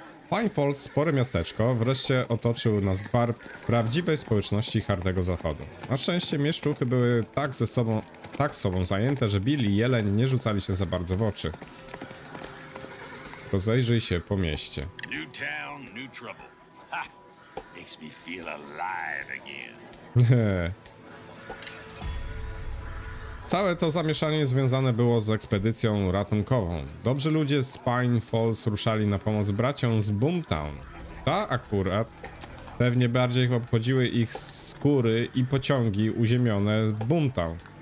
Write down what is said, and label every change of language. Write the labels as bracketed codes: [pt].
[pl] Pine Falls, spore miasteczko, wreszcie otoczył nas gwar prawdziwej społeczności Hardego Zachodu. Na szczęście mieszczuchy były tak ze sobą, tak sobą zajęte, że Bill i Jeleń nie rzucali się za bardzo w oczy. Rozejrzyj się po mieście. [en] New town, new trouble. Ha! Makes me feel alive again. [pl] Całe to zamieszanie związane było z ekspedycją ratunkową. Dobrzy ludzie z Pine Falls ruszali na pomoc braciom z Boomtown. Ta akurat pewnie bardziej obchodziły ich skóry i pociągi uziemione w Boomtown.